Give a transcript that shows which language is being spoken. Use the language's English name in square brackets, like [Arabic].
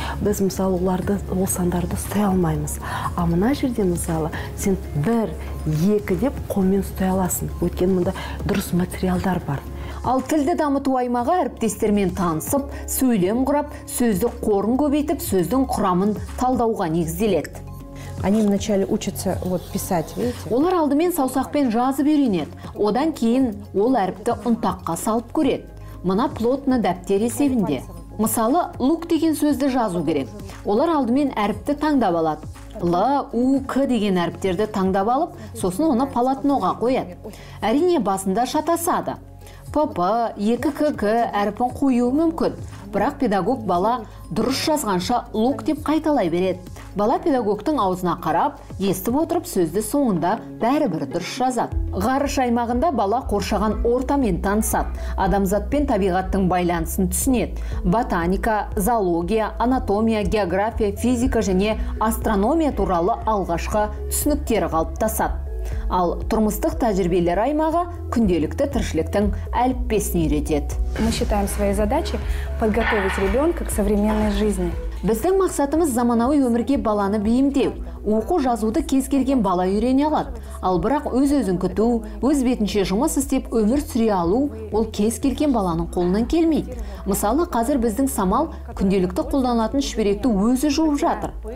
[Kazakh] Біз, мысалы, оларды, ол сандарды ұстай алмаймыз. А мына жерде, мысалы, сен 1, 2 деп қолмен ұстай аласың. Өйткені мында дұрыс материалдар бар. Ал тілді дамыту аймағы әріптестермен танысып, сөйлем құрап, сөзді қорын көбейтіп, сөздің құрамын талдауға негізделеді. [Russian] Они вначале учатся вот писать, видите? [Kazakh] Олар алдымен саусақпен жазып үйренеді. Одан кейін ол әріпті ұнтаққа салып көреді. Мына плотны дәптер есебінде. Мысалы, лук деген сөзді жазу керек. Олар алдымен әріпті таңдап алады. Л, У, К деген әріптерді таңдап алып, сосын оны палатноға қояды. Әрине басында шатасады. Папа, 2КК әріпін қоюы мүмкін. Бірақ педагог бала дұрыс жазғанша лук деп қайталай береді. Бала педагогтың аузына қарап, естіп отырып сөзді соңында бәрібір дұрыс жазады. Ғарыш аймағында бала қоршаған ортамен танысады. Адамзат пен табиғаттың байланысын түсінеді. Ботаника, зоология, анатомия, география, физика және астрономия туралы алғашқы түсініктері қалыптасады. Ал тұрмыстық тәжірибелер аймағы күнделікті тіршіліктің әліппесін үйретеді. [Russian] Мы считаем своей задачей подготовить ребенка к современной жизни. [Kazakh] Біздің мақсатымыз заманауи өмірге баланы бейімдеу. Оқу жазуды кез келген бала үйрене алады. Ал бірақ өз-өзін күту, өз бетінше жұмыс істеп өмір сүре алу ол кез келген баланың қолынан келмейді. Мысалы, қазір біздің Самал күнделікті қолданатын шүберекті өзі жуып жатыр.